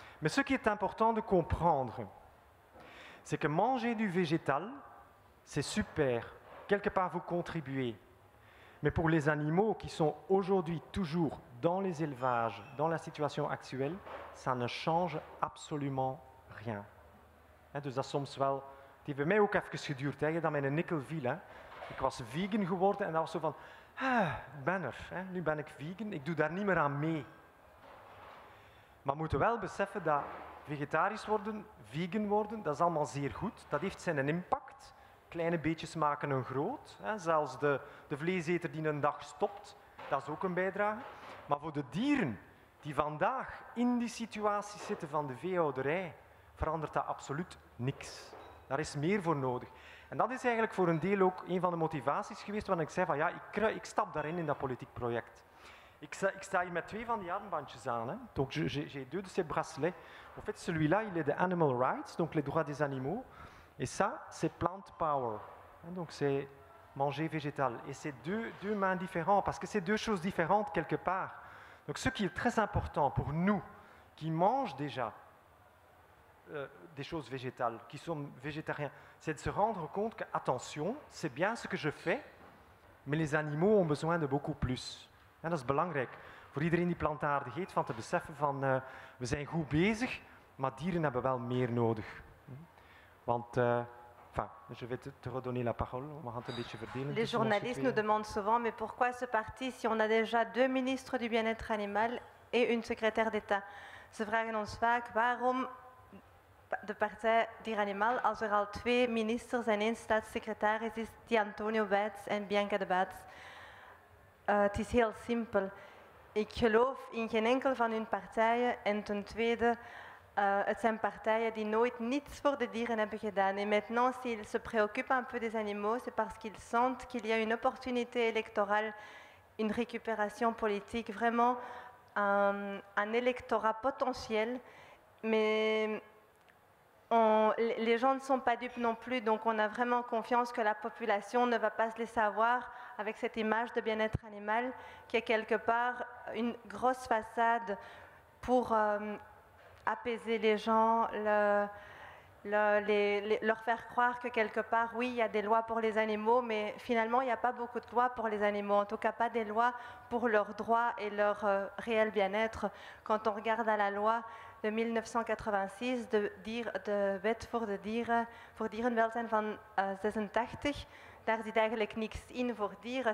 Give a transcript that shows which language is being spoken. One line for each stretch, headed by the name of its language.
French: Mais ce qui est important de comprendre, c'est que manger du végétal, c'est super. Quelque part, vous contribuez. Mais pour les animaux qui sont aujourd'hui toujours dans les élevages, dans la situation actuelle, ça ne change absolument rien.
Dutch: Rien. He, dus dat soms wel... Het heeft bij mij ook even geduurd, he, dat mijn nikkel viel. He. Ik was vegan geworden en dat was zo van... ik ben er. He. Nu ben ik vegan. Ik doe daar niet meer aan mee. Maar we moeten wel beseffen dat vegetarisch worden, vegan worden, dat is allemaal zeer goed. Dat heeft zijn impact. Kleine beetjes maken een groot. He. Zelfs de vleeseter die een dag stopt, dat is ook een bijdrage. Maar voor de dieren die vandaag in die situatie zitten van de veehouderij... verandert dat absoluut niks. Daar is meer voor nodig. En dat is eigenlijk voor een deel ook een van de motivaties geweest, want ik zei van, ja, ik stap daarin, in dat politiek project. Ik sta hier met twee van die armbandjes aan. Hè.
French: Donc, j'ai deux de ces bracelets. En fait, celui-là, il est de animal rights, donc les droits des animaux. Et ça, c'est plant power. Donc, c'est manger végétal. Et c'est deux mains différentes, parce que c'est deux choses différentes quelque part. Donc, ce qui est très important pour nous, qui mangent déjà, des choses végétales, qui sont végétariens, c'est de se rendre compte que, attention, c'est bien ce que je fais, mais les animaux ont besoin de beaucoup plus.
Dutch: Ja, dat is belangrijk. Voor iedereen die plantaardig eet, van te beseffen van, we zijn goed bezig, maar dieren hebben wel meer nodig.
French: Want, je vais te redonner la parole, on va rentrer un
Dutch: beetje verdelen.
French: Les journalistes nous demandent souvent, mais pourquoi ce parti, si on a déjà deux ministres du bien-être animal et une secrétaire d'État?
Dutch: Ze vragen ons vaak, waarom de Partij Dier Animal, als er al twee ministers en één staatssecretaris is, die Antonio Bets en Bianca de Bets. Het is heel simpel. Ik geloof in geen enkel van hun partijen. En ten tweede, het zijn partijen die nooit niets voor de dieren hebben gedaan.
French: En maintenant, s'ils se préoccupent un peu des animaux, c'est parce qu'ils sentent qu'il y a une opportunité électorale, une récupération politique, vraiment un électorat potentiel. Mais les gens ne sont pas dupes non plus, donc on a vraiment confiance que la population ne va pas se laisser avoir avec cette image de bien-être animal qui est quelque part une grosse façade pour apaiser les gens, leur faire croire que quelque part, oui, il y a des lois pour les animaux, mais finalement, il n'y a pas beaucoup de lois pour les animaux, en tout cas pas des lois pour leurs droits et leur réel bien-être. Quand on regarde à la loi de 1986,
Dutch: de wet voor dierenwelzijn van 86, daar zit eigenlijk niks in voor dieren.